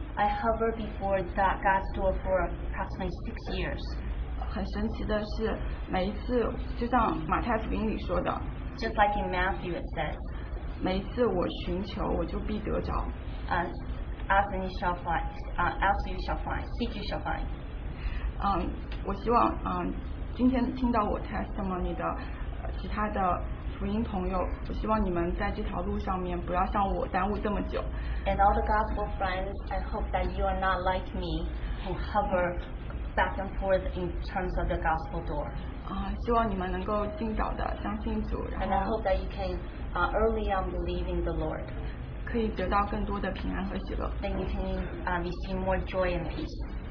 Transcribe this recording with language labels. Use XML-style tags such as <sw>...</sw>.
<en>I hovered before that God's door for approximately 6 years.</en> <zh>很神奇的是，每一次就像马太福音里说的，</zh> <en>just like in Matthew it says,</en> <zh>每一次我寻求，我就必得着。</zh> <en>after you shall find, after you shall find, seek you shall find.</en> <zh>我希望今天听到我 testimony 的其他的福音朋友，我希望你们在这条路上面不要像我耽误这么久。</zh> <en>And all the gospel friends, I hope that you are not like me, who hover back and forth in terms of the gospel door.</en> <zh>希望你们能够尽早的相信主。</zh> <en>And I hope that you can, early on believe in the Lord.</en> <zh>可以得到更多的平安和喜乐。</zh> <en>And you can, receive more joy and peace.</en>